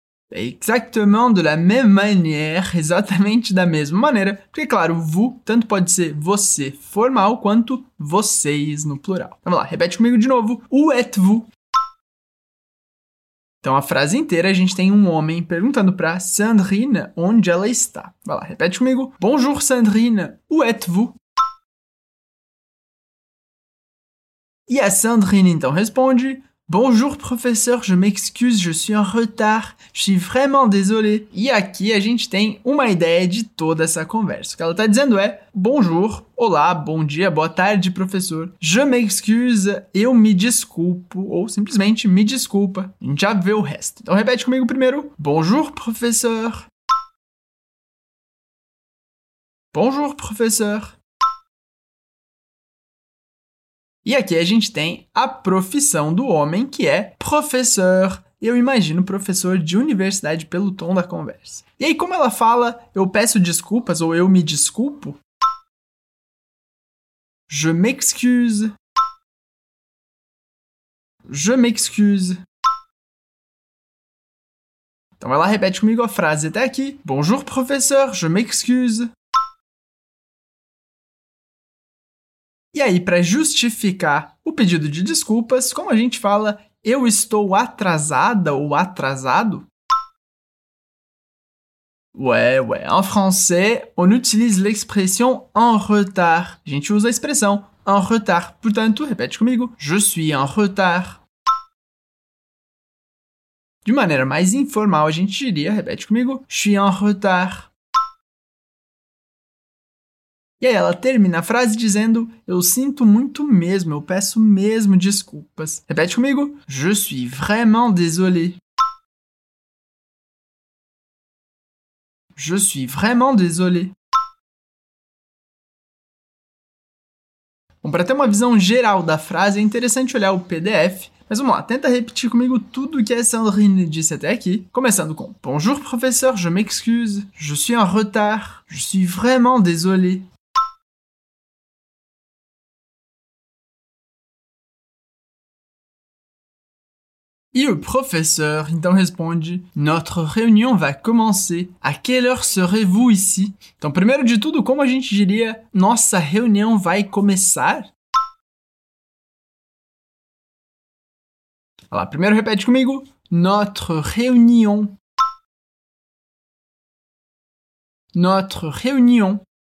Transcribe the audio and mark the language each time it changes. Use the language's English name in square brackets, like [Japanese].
[French] Exactement de la même manière, [Portuguese] exatamente da mesma maneira, porque, claro, vous tanto pode ser você formal quanto vocês no plural. Então, vamos lá, repete comigo de novo. [French] Où êtes-vous? [Portuguese] Então, a frase inteira, a gente tem um homem perguntando para Sandrine onde ela está. Vai lá, repete comigo. [French] Bonjour Sandrine, où êtes-vous? [Portuguese] E a Sandrine, então, responde: [French] Bonjour professeur, je m'excuse, je suis en retard, je suis vraiment désolé. [Portuguese] E aqui a gente tem uma ideia de toda essa conversa. O que ela está dizendo é: Bonjour, olá, bom dia, boa tarde professor, [French] je m'excuse, [Portuguese] eu me desculpo, ou simplesmente me desculpa. A gente já vê o resto. Então repete comigo primeiro: [French] Bonjour professeur. Bonjour professeur. [Portuguese] E aqui a gente tem a profissão do homem, que é professor. Eu imagino professor de universidade pelo tom da conversa. E aí, como ela fala, eu peço desculpas ou eu me desculpo? [French] Je m'excuse. Je m'excuse. [Portuguese] Então vai lá, repete comigo a frase até aqui. [French] Bonjour, professeur, je m'excuse. [Portuguese] E aí, para justificar o pedido de desculpas, como a gente fala, eu estou atrasada ou atrasado? [French] Ouais. En français, on utilise l'expression en retard. [Portuguese] A gente usa a expressão en retard. Portanto, repete comigo, [French] je suis en retard. [Portuguese] De maneira mais informal, a gente diria, repete comigo, [French] je suis en retard. [Portuguese] E aí ela termina a frase dizendo, eu sinto muito mesmo, eu peço mesmo desculpas. Repete comigo, [French] je suis vraiment désolé. Je suis vraiment désolé. [Portuguese] Bom, para ter uma visão geral da frase, é interessante olhar o PDF. Mas vamos lá, tenta repetir comigo tudo o que a Sandrine disse até aqui. Começando com [French] bonjour professeur, je m'excuse. Je suis en retard. Je suis vraiment désolé. [Portuguese] E o professeur então responde, [French] notre réunion va commencer. À quelle heure serez-vous ici? [Portuguese] Então, primeiro de tudo, como a gente diria, nossa reunião vai começar? Olha lá, primeiro repete comigo, [French] notre réunion. Notre réunion.